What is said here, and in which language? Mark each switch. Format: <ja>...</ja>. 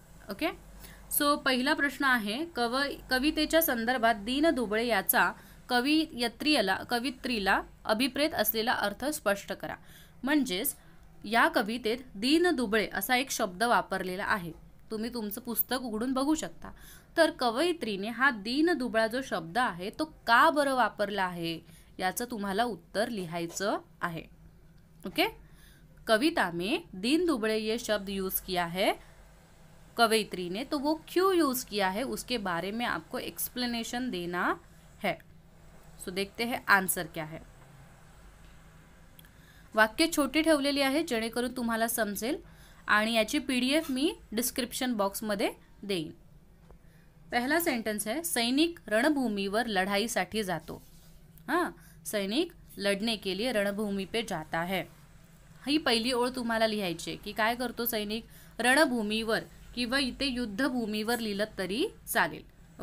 <mr>Okay, so पहिला प्रश्न आहे, कवितेच्या संदर्भात दीन दुबळे याचा कवित्रीला अभिप्रेत असलेला अर्थ स्पष्ट करा। म्हणजेच या कवितेत दीन दुबळे असा एक शब्द वापरलेला आहे, तुम्ही तुमचं पुस्तक उघडून बघू शकता। तर कवयित्रीने हा दीन दुबळा जो शब्द आहे तो का बरं वापरला आहे याचं तुम्हाला उत्तर लिहायचं आहे।</mr> <hi>ओके, कविता में दीन दुबळे ये शब्द यूज किया है कवयित्री ने, तो वो क्यों यूज किया है उसके बारे में आपको एक्सप्लेनेशन देना है। सो देखते हैं आंसर क्या है।</hi> <mr>वाक्य छोटी ठेवलेली आहे जेणेकरून तुम्हाला समजेल, आणि याची पीडीएफ मी डिस्क्रिप्शन बॉक्समध्ये देईन।</mr> <hi>पहला सेंटेंस है,</hi> <mr>सैनिक रणभूमीवर लढाईसाठी जातो।</mr> <hi>हाँ, सैनिक लढने के लिए रणभूमि पे जाता है।</hi> <mr>ही पहिली ओळ तुम्हाला लिहायची आहे की काय करतो सैनिक रणभूमीवर, किंवा इथे युद्धभूमीवर लिहिलं तरी चालेल।</mr>